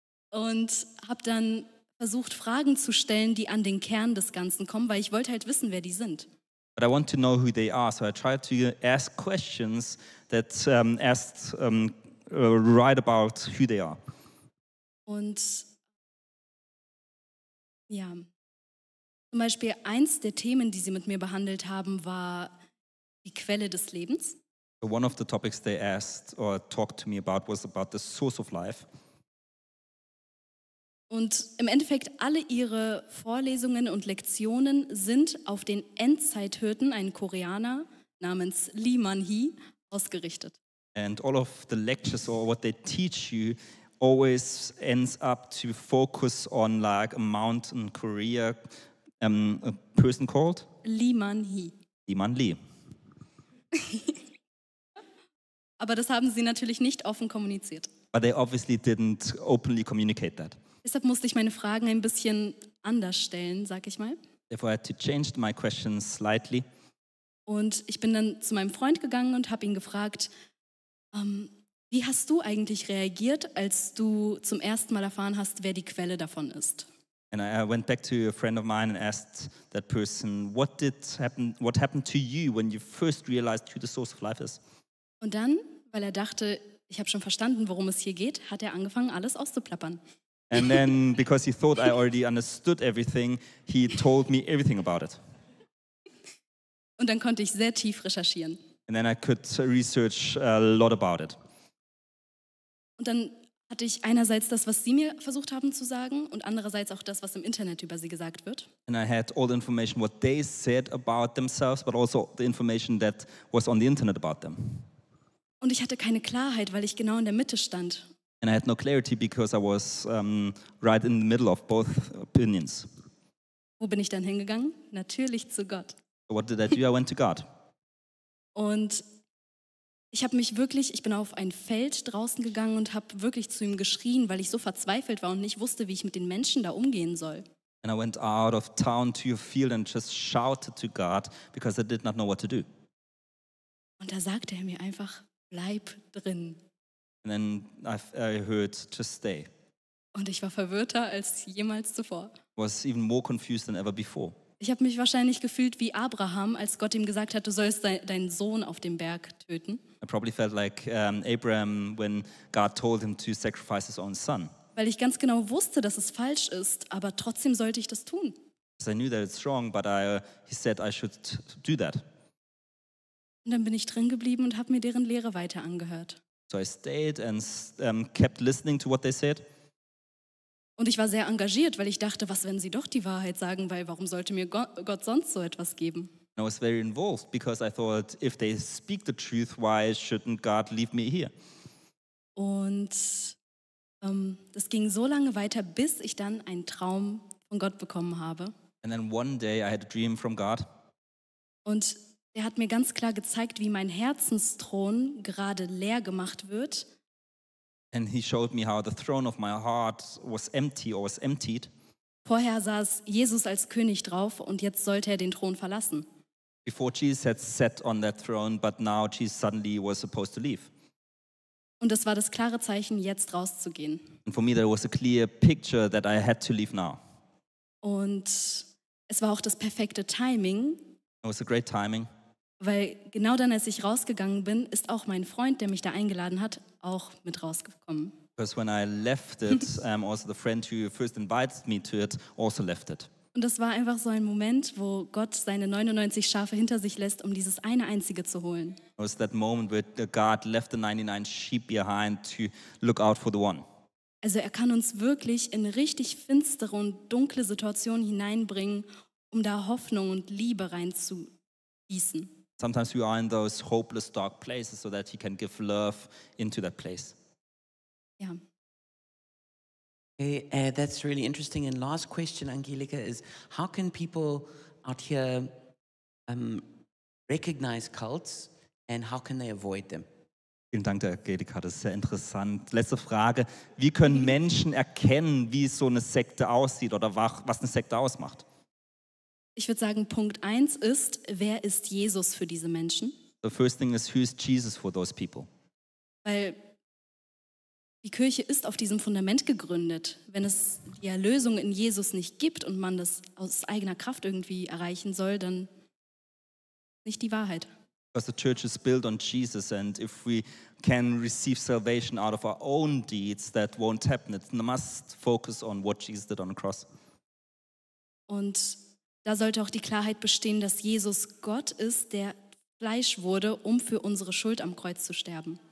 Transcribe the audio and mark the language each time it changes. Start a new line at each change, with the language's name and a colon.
German: Und habe dann versucht, Fragen zu stellen, die an den Kern des Ganzen kommen, weil ich wollte halt wissen, wer die sind.
English: But I want to know who they are, so I tried to ask questions that asked write about who they are.
German: Und ja, zum Beispiel eins der Themen, die sie mit mir behandelt haben, war die Quelle des Lebens.
English: One of the topics they asked or talked to me about was about the source of life.
German: Und im Endeffekt alle ihre Vorlesungen und Lektionen sind auf den Endzeithirten, einen Koreaner namens Lee Man-hee, ausgerichtet.
English: And all of the lectures or what they teach you always ends up to focus on like a mountain Korea, a person called? Lee Man-hee. Lee Man-lee.
German: Aber das haben sie natürlich nicht offen kommuniziert.
English: But they obviously didn't openly communicate that.
German: Deshalb musste ich meine Fragen ein bisschen anders stellen, sag ich mal.
English: Therefore I had to change my questions slightly.
German: Und ich bin dann zu meinem Freund gegangen und habe ihn gefragt, wie hast du eigentlich reagiert, als du zum ersten Mal erfahren hast, wer die Quelle davon ist?
English: And I went back to a friend of mine and asked that person, what happened to you when you first realized who the source of life is?
German: Und dann, weil er dachte, ich habe schon verstanden, worum es hier geht, hat er angefangen, alles auszuplappern.
English: And then, because he thought I already understood everything, he told me everything about it.
German: Und dann konnte ich sehr tief recherchieren.
English: And then I could research a lot about it.
German: Und dann hatte ich einerseits das, was sie mir versucht haben zu sagen, und andererseits auch das, was im Internet über sie gesagt wird.
English: And I had all the information what they said about themselves, but also the information that was on the internet about them.
German: Und ich hatte keine Klarheit, weil ich genau in der Mitte stand.
English: And I had no clarity because I was right in the middle of both opinions.
German: Wo bin ich dann hingegangen? Natürlich zu Gott.
English: So what did I do? I went to God.
German: Und ich habe mich wirklich, ich bin auf ein Feld draußen gegangen und habe wirklich zu ihm geschrien, weil ich so verzweifelt war und nicht wusste, wie ich mit den Menschen da umgehen soll.
English: And I went out of town to your field and just shouted to God because I did not know what to do.
German: Und da sagte er mir einfach, bleib drin.
English: And then I heard to stay.
German: Und ich war verwirrter als jemals zuvor.
English: Was even more confused than ever before.
German: Ich habe mich wahrscheinlich gefühlt wie Abraham, als Gott ihm gesagt hat, du sollst deinen Sohn auf dem Berg töten.
English: I probably felt like Abraham when God told him to sacrifice his own son.
German: Weil ich ganz genau wusste, dass es falsch ist, aber trotzdem sollte ich das tun.
English: Because I knew that it's wrong, but he said I should do that.
German: Und dann bin ich drin geblieben und habe mir deren Lehre weiter angehört.
English: So I stayed and kept listening to what they said.
German: Und ich war sehr engagiert, weil ich dachte, was, wenn sie doch die Wahrheit sagen, weil warum sollte mir Gott sonst so etwas geben?
English: I was very involved because I thought, if they speak the truth, why shouldn't God leave me here?
German: Und das ging so lange weiter, bis ich dann einen Traum von Gott bekommen habe.
English: And then one day I had a dream from God.
German: Und er hat mir ganz klar gezeigt, wie mein Herzensthron gerade leer gemacht wird.
English: And he showed me how the throne of my heart was empty or was emptied.
German: Vorher saß Jesus als König drauf und jetzt sollte er den Thron verlassen.
English: Before Jesus had sat on that throne, but now Jesus suddenly was supposed to leave.
German: Und das war das klare Zeichen, jetzt rauszugehen.
English: And for me there was a clear picture that I had to leave now.
German: Und es war auch das perfekte Timing.
English: It was a great timing.
German: Weil genau dann, als ich rausgegangen bin, ist auch mein Freund, der mich da eingeladen hat, auch mit rausgekommen.
English: Because when I left it, also the friend who first invited me to it, also left it.
German: Und das war einfach so ein Moment, wo Gott seine 99 Schafe hinter sich lässt, um dieses eine einzige zu holen.
English: It was that moment where God left the 99 sheep behind to look out for the one.
German: Also er kann uns wirklich in richtig finstere und dunkle Situationen hineinbringen, um da Hoffnung und Liebe reinzugießen.
English: Sometimes we are in those hopeless dark places so that he can give love into that place.
German: Ja.
English: Okay, that's really interesting. And last question, Angelika, is how can people out here recognize cults and how can they avoid them?
German: Vielen Dank, Angelika, das ist sehr interessant. Letzte Frage, wie können Menschen erkennen, wie so eine Sekte aussieht oder was eine Sekte ausmacht? Ich würde sagen, Punkt 1 ist, wer ist Jesus für diese Menschen?
English: The first thing is, who is Jesus for those people?
German: Weil die Kirche ist auf diesem Fundament gegründet. Wenn es die Erlösung in Jesus nicht gibt und man das aus eigener Kraft irgendwie erreichen soll, dann nicht die Wahrheit.
English: Because the church is built on Jesus, and if we can receive salvation out of our own deeds, that won't happen. It must focus on what Jesus did on the cross.
German: Und da sollte auch die Klarheit bestehen, dass Jesus Gott ist, der Fleisch wurde, um für unsere Schuld am Kreuz zu sterben.